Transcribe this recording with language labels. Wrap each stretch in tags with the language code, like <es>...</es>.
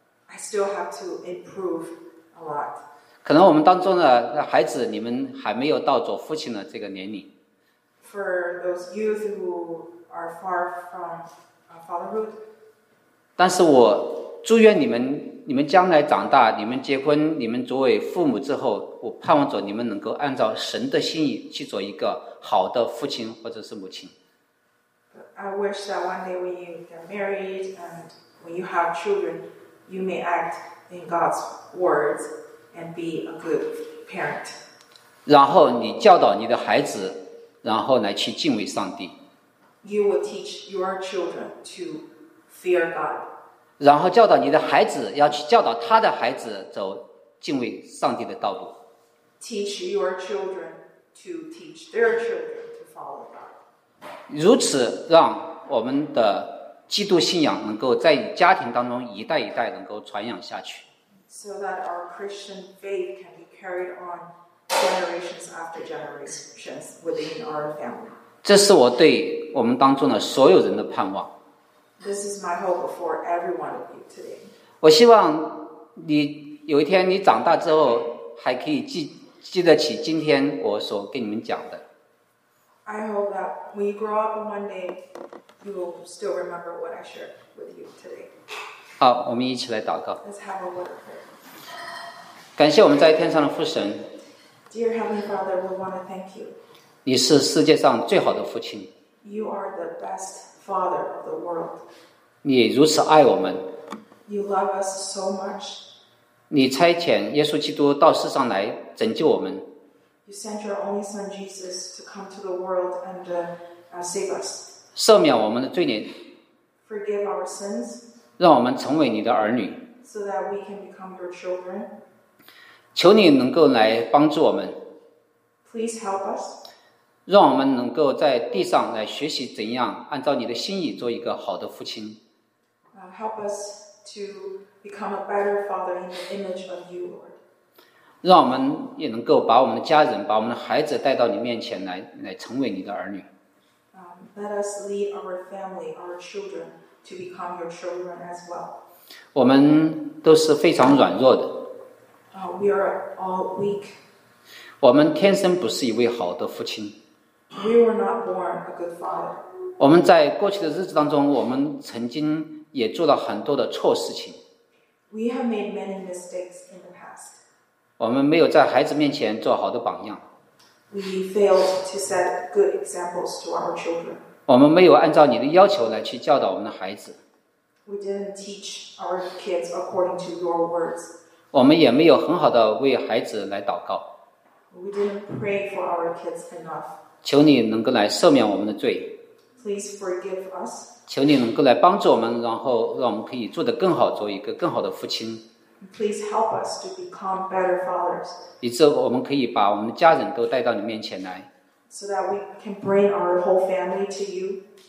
<en>I still have to improve a lot.</en> <zh>可能我们当中的孩子你们还没有到做父亲的这个年龄。</zh> <en>For those youth who are far from fatherhood,</en> <zh>但是我祝愿你们你们将来长大，你们结婚，你们作为父母之后，我盼望着你们能够按照神的心意去做一个好的父亲或者是母亲。</zh> <en>I wish that one day when you get married and when you have children, you may act in God's words and be a good parent.</en> <zh>然后你教导你的孩子，然后来去敬畏上帝。</zh> <en>You will teach your children to fear God.</en> <zh>然后教导你的孩子要去教导他的孩子走敬畏上帝的道路。</zh> <en>Teach your children to teach their children to follow God.</en> <zh>如此让我们的基督信仰能够在家庭当中一代一代能够传扬下去。</zh> <en>So that our Christian faith can be carried on generations after generations within our family.</en> <zh>这是我对我们当中的所有人的盼望。</zh> <en>This is my hope for everyone of you today.</en> <zh>我希望你有一天你长大之后还可以记得起今天我所跟你们讲的。</zh> <en>I hope that when you grow up one day, you will still remember what I shared with you today.</en> <zh>好，我们一起来祷告。</zh> <en>Let's have a word of prayer.</en> <zh>感谢我们在天上的父神。</zh> <en>Dear Heavenly Father, we want to thank you.</en> <zh>你是世界上最好的父亲。</zh> <en>You are the best father of the world.</en> <zh>你如此爱我们。</zh> <en>You love us so much.</en> <zh>你差遣耶稣基督到世上来拯救我们。</zh> <en>You sent your only son Jesus to come to the world and save us.</en> <zh>赦免我们的罪孽。</zh> <en>Forgive our sins.</en> <zh>让我们成为你的儿女。</zh> <en>So that we can become your children.</en> <zh>求你能够来帮助我们。</zh> <en>Please help us.</en> <zh>让我们能够在地上来学习怎样按照你的心意做一个好的父亲。</zh> <en>Help us to become a better father in the image of you, Lord.</en> <zh>让我们也能够把我们的家人把我们的孩子带到你面前来成为你的儿女。</zh> <en>Let us lead our family, our children, to become your children as well.</en> <zh>我们都是非常软弱的。</zh> <en>We are all weak.</en> <zh>我们天生不是一位好的父亲。</zh> <en>We were not born a good father.</en> <zh>我们在过去的日子当中我们曾经也做了很多的错事情。</zh> <en>We have made many mistakes in the past.</en> <zh>我们没有在孩子面前做好的榜样。</zh> <en>We failed to set good examples to our children.</en> <zh>我们没有按照你的要求来去教导我们的孩子。</zh> <en>We didn't teach our kids according to your words.</en> <zh>我们也没有很好的为孩子来祷告。</zh> <en>We didn't pray for our kids enough.</en> <zh>求你能够来赦免我们的罪。</zh> <en>Please forgive us.</en> <zh>求你能够来帮助我们，然后让我们可以做得更好，做一个更好的父亲。</zh> <en>Please help us to become better fathers.</en> <zh>以致我们可以把我们的家人都带到你面前来。</zh> <en>So that we can bring our whole family to you.</en>